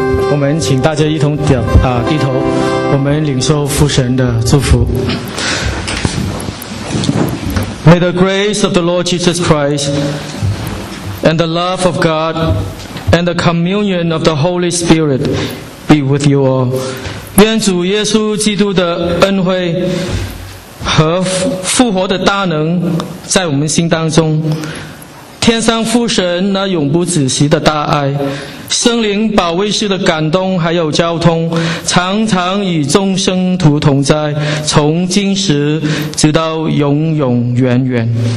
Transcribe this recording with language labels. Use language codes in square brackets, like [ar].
[zh] 我们请大家一同点啊低头，我们领受父神的祝福。 [en] May the grace of the Lord Jesus Christ and the love of God and the communion of the Holy Spirit be with you all. [zh] 愿主耶稣基督的恩惠和复活的大能在我们心当中。天上父神那永不止息的大爱，圣灵保卫师的感动还有交通，常常与众生徒同在，从今时直到永永远远。